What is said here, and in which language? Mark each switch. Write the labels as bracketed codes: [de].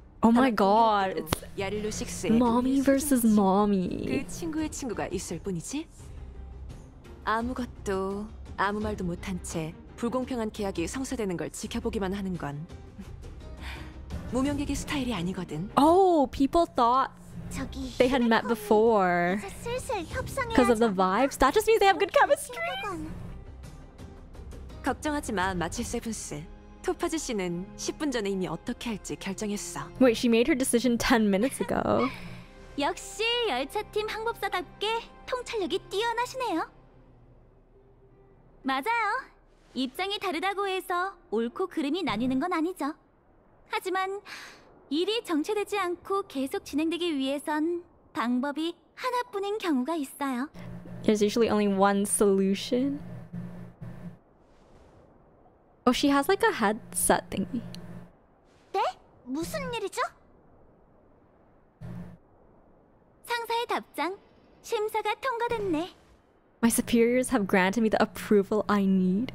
[en] Oh my god, it's mommy versus mommy. [ko] 그 친구의 친구가 있을 뿐이지? 아무것도 아무 말도 못한 채 불공평한 계약이 성사되는 걸 지켜보기만 하는 건 무명객의 스타일이 아니거든. [en] Oh, people thought they had met before because of the vibes. That just means they have good chemistry. [ko] 걱정하지 마, 마치 세븐스. 토파즈 씨는 10분 전에 이미 어떻게 할지 결정했어. [en] Wait, she made her decision 10 minutes ago. [ko] 역시 열차팀 항법사답게 통찰력이 뛰어나시네요. 맞아요. 입장이 다르다고 해서 옳고 그름이 나뉘는 건 아니죠. 하지만 일이 정체되지 않고 계속 진행되기 위해선 방법이 하나뿐인 경우가 있어요. [en] There's usually only one solution. Oh, she has like a headset thingy. [ko] 네? 무슨 일이죠? 상사의 답장, 심사가 통과됐네. [en] My superiors have granted me the approval I need.